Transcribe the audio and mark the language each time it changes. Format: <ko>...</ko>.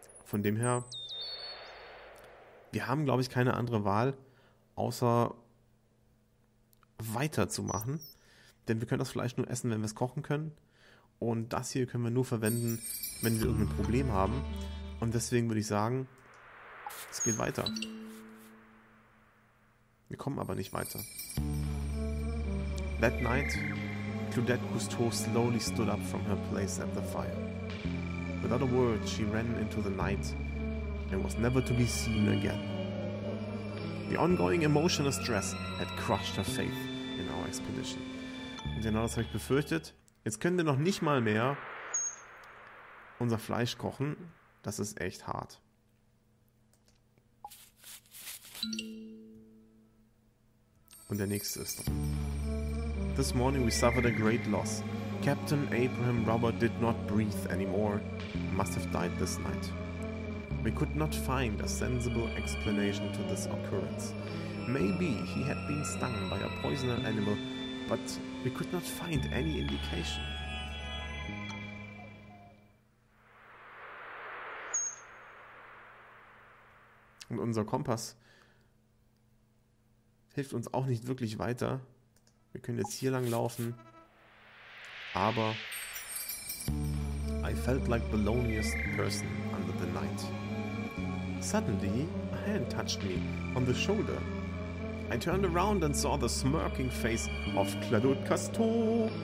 <de>Von dem her, wir haben, glaube ich, keine andere Wahl, außer weiterzumachen. Denn wir können das Fleisch nur essen, wenn wir es kochen können. Und das hier können wir nur verwenden, wenn wir irgendein Problem haben. Und deswegen würde ich sagen, es geht weiter. Wir kommen aber nicht weiter.</de> <en>That night, Claudette Cousteau slowly stood up from her place at the fire. Without a word, she ran into the night and was never to be seen again. The ongoing emotional stress had crushed her faith in our expedition.</en> <de>Und genau das habe ich befürchtet. Jetzt können wir noch nicht mal mehr unser Fleisch kochen. Das ist echt hart. Und der nächste ist dran.</de> <en>This morning we suffered a great loss. Captain Abraham Robert did not breathe anymore. He must have died this night. We could not find a sensible explanation to this occurrence. Maybe he had been stung by a poisonous animal, but we could not find any indication.</en> <de>Und unser Kompass hilft uns auch nicht wirklich weiter. Wir können jetzt hier lang laufen.</de> <en>Aber I felt like the loneliest person under the night. Suddenly, a hand touched me on the shoulder. I turned around and saw the smirking face of Claudette Cousteau.</en>